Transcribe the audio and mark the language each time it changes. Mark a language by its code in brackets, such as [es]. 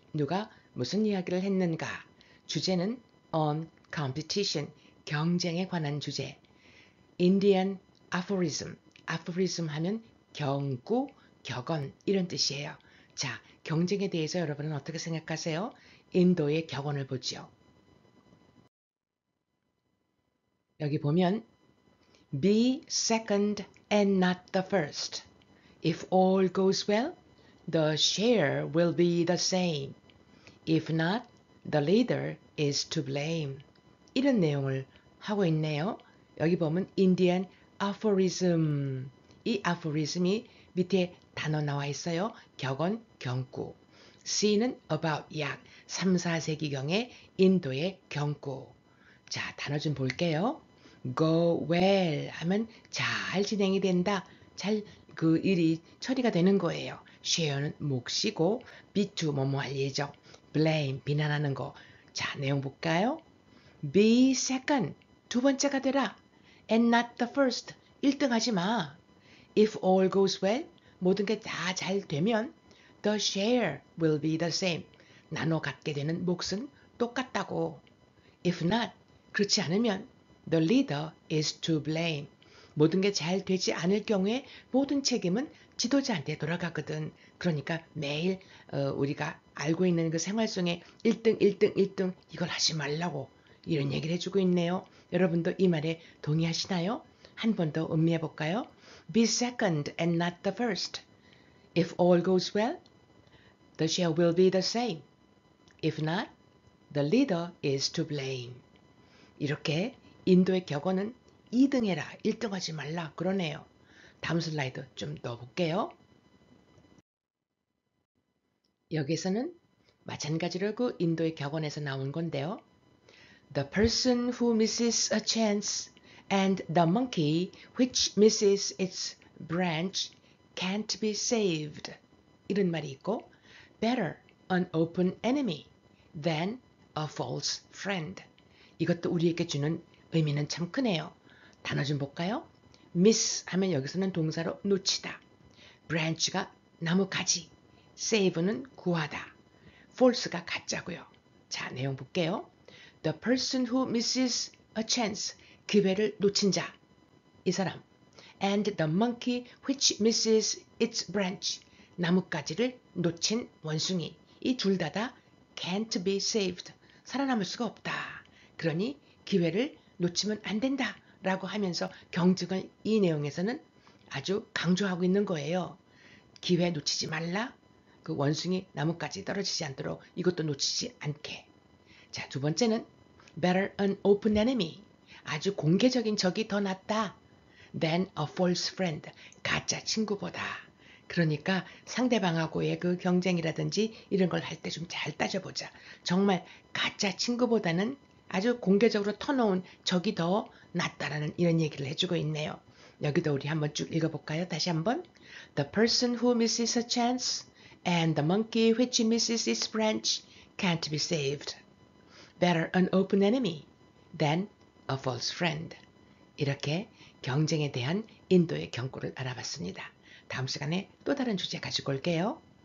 [ko] 누가 무슨 이야기를 했는가? 주제는 [en] on competition, [ko] 경쟁에 관한 주제. [en] Indian aphorism. [ko] aphorism 하면 경구, 격언 이런 뜻이에요. 자, 경쟁에 대해서 여러분은 어떻게 생각하세요? 인도의 격언을 보죠. 여기 보면 [en] Be second and not the first. If all goes well, the share will be the same. If not, the leader is to blame. [ko] 이런 내용을 하고 있네요. 여기 보면 [en] Indian aphorism. [ko] 이 aphorism이 밑에 단어 나와 있어요. 격언, 경구. C는 about 약 3, 4세기경에 인도의 경구. 자, 단어 좀 볼게요. [en] Go well [ko] 하면 잘 진행이 된다. 잘그 일이 처리가 되는 거예요. Share는 몫이고 Be to 뭐뭐 할 예정. Blame 비난하는 거. 자, 내용 볼까요? [en] Be second [ko] 두 번째가 되라. [en] And not the first [ko] 1등 하지 마. [en] If all goes well [ko] 모든 게다잘 되면 [en] The share will be the same [ko] 나눠 갖게 되는 몫은 똑같다고. [en] If not [ko] 그렇지 않으면 [en] The leader is to blame. [ko] 모든 게잘 되지 않을 경우에 모든 책임은 지도자한테 돌아가거든. 그러니까 매일 우리가 알고 있는 그 생활 속에 1등, 1등, 1등 이걸 하지 말라고 이런 얘기를 해주고 있네요. 여러분도 이 말에 동의하시나요? 한번더 음미해 볼까요? [en] Be second and not the first. If all goes well, the share will be the same. If not, the leader is to blame. [ko] 이렇게 인도의 격언은 2등 해라, 1등 하지 말라 그러네요. 다음 슬라이드 좀 넣어볼게요. 여기에서는 마찬가지로 그 인도의 격언에서 나온 건데요. [en] The person who misses a chance and the monkey which misses its branch can't be saved. [ko] 이런 말이 있고 [en] Better an open enemy than a false friend. [ko] 이것도 우리에게 주는 의미는 참 크네요. 단어 좀 볼까요? miss 하면 여기서는 동사로 놓치다. branch가 나뭇가지. save는 구하다. false가 가짜고요. 자, 내용 볼게요. [en] The person who misses a chance. [ko] 기회를 놓친 자. 이 사람. [en] And the monkey which misses its branch. [ko] 나뭇가지를 놓친 원숭이. 이 둘 다 다 [en] can't be saved. [ko] 살아남을 수가 없다. 그러니 기회를 놓치면 안 된다라고 하면서 경쟁을 이 내용에서는 아주 강조하고 있는 거예요. 기회 놓치지 말라. 그 원숭이 나뭇가지 떨어지지 않도록 이것도 놓치지 않게. 자, 두 번째는 [en] Better an open enemy. [ko] 아주 공개적인 적이 더 낫다. [en] than a false friend. [ko] 가짜 친구보다. 그러니까 상대방하고의 그 경쟁이라든지 이런 걸할때좀잘 따져보자. 정말 가짜 친구보다는 아주 공개적으로 터놓은 적이 더 낫다라는 이런 얘기를 해주고 있네요. 여기도 우리 한번 쭉 읽어볼까요? 다시 한번. [en] The person who misses a chance and the monkey which misses its branch can't be saved. Better an open enemy than a false friend. [ko] 이렇게 경쟁에 대한 인도의 경고를 알아봤습니다. 다음 시간에 또 다른 주제 가지고 올게요.